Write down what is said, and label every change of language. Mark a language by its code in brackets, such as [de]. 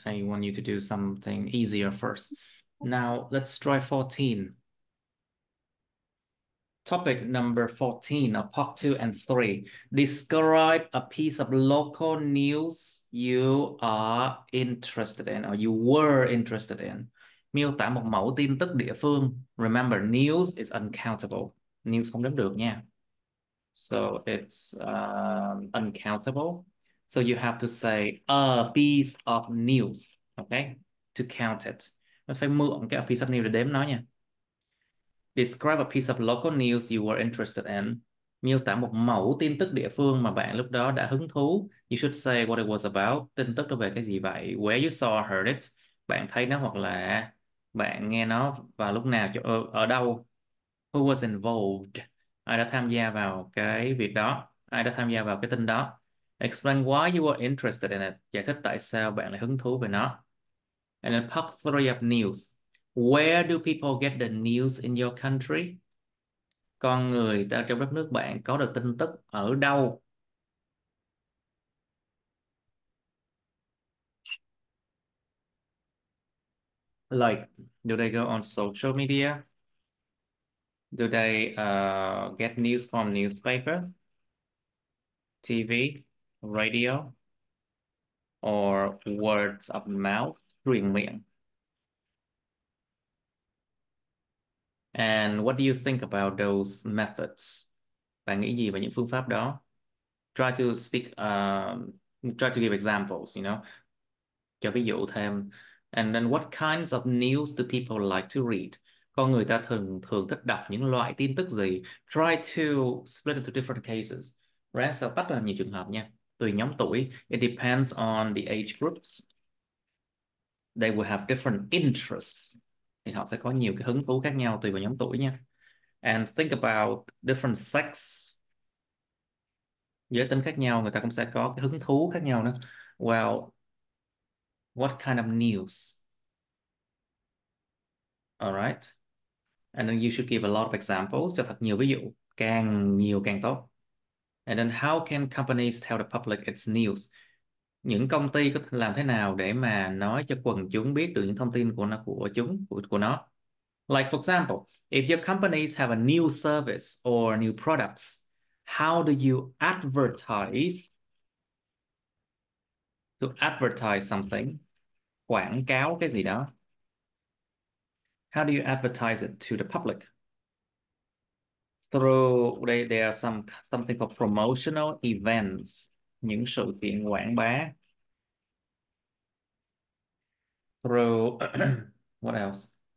[en] I want you to do something easier first. Now let's try 14. Topic number 14 of part 2 and 3. Describe a piece of local news you are interested in or you were interested in. [vi] Miêu tả một mẫu tin tức địa phương. [en] Remember, news is uncountable. [vi] News không đếm được nha. [en] So it's uncountable. So you have to say a piece of news, okay? To count it. [vi] Mình phải mượn cái [en] a piece of news [vi] để đếm nó nha. [en] Describe a piece of local news you were interested in. [vi] Miêu tả một mẫu tin tức địa phương mà bạn lúc đó đã hứng thú. [en] You should say what it was about. [vi] Tin tức đó về cái gì vậy? [en] Where you saw or heard it. [vi] Bạn thấy nó hoặc là bạn nghe nó và lúc nào, ở đâu. [en] Who was involved? [vi] Ai đã tham gia vào cái việc đó? Ai đã tham gia vào cái tin đó? [en] Explain why you were interested in it. [vi] Giải thích tại sao bạn lại hứng thú về nó. [en] And then part 3 of news. Where do people get the news in your country? [vi] Con người ta trong đất nước bạn có được tin tức ở đâu? [en] Like, do they go on social media? Do they get news from newspaper, TV, radio, or words of mouth, [vi] truyền miệng? [en] And what do you think about those methods? [vi] Bạn nghĩ gì về những phương pháp đó? [en] Try to speak, try to give examples, you know? [vi] Cho ví dụ thêm. [en] And then what kinds of news do people like to read? [vi] Con người ta thường thường thích đọc những loại tin tức gì? [en] Try to split into different cases. Right? [vi] So tách ra nhiều trường hợp nha. Tùy nhóm tuổi. [en] It depends on the age groups. They will have different interests. [vi] Thì họ sẽ có nhiều cái hứng thú khác nhau tùy vào nhóm tuổi nha. [en] And think about different sex. [vi] Giới tính khác nhau, người ta cũng sẽ có cái hứng thú khác nhau nữa. [en] Well, what kind of news? Alright. And then you should give a lot of examples. [vi] Cho thật nhiều ví dụ. Càng nhiều càng tốt. [en] And then how can companies tell the public its news? [vi] Những công ty có thể làm thế nào để mà nói cho quần chúng biết được những thông tin của nó, của nó? [en] Like, for example, if your companies have a new service or new products, how do you advertise? To advertise something, [vi] quảng cáo cái gì đó. [en] How do you advertise it to the public? Through, there are something called promotional events, [vi] những sự kiện quảng bá. [en] Through, what else?